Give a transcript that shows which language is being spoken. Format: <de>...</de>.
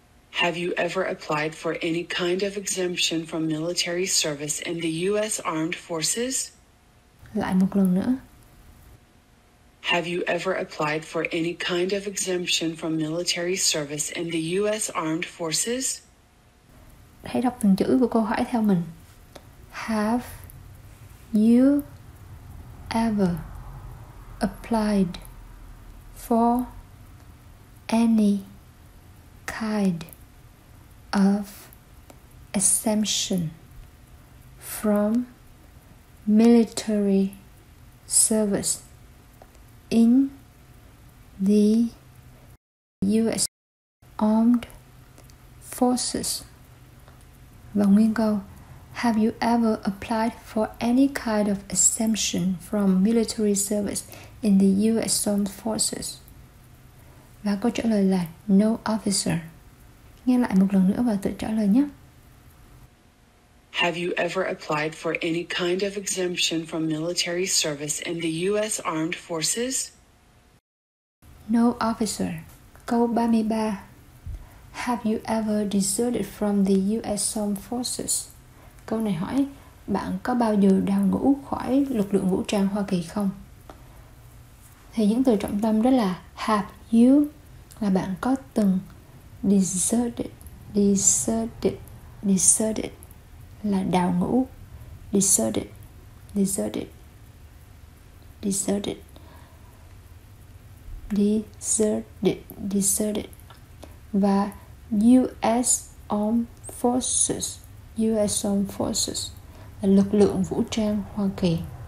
<en>Have you ever applied for any kind of exemption from military service in the US Armed Forces?</en> <vi>Lại một lần nữa.</vi> <en>Have you ever applied for any kind of exemption from military service in the US Armed Forces?</en> <vi>Hãy đọc từng chữ của câu hỏi theo mình.</vi> <en>Have you ever applied for any kind of exemption from military service in the US Armed Forces?</en> <vi>Và nguyên câu,</vi> <en>have you ever applied for any kind of exemption from military service in the US Armed Forces?</en> <vi>Và câu trả lời là</vi> <en>no, officer.</en> <vi>Nghe lại một lần nữa và tự trả lời nhé.</vi> <en>Have you ever applied for any kind of exemption from military service in the US Armed Forces? No, officer.</en> <vi>Câu 33.</vi> <en>Have you ever deserted from the US Armed Forces?</en> <vi>Câu này hỏi, bạn có bao giờ đào ngũ khỏi lực lượng vũ trang Hoa Kỳ không? Thì những từ trọng tâm đó là have you, là bạn có từng deserted là đào ngũ, deserted và US Armed Forces là lực lượng vũ trang Hoa Kỳ.</vi>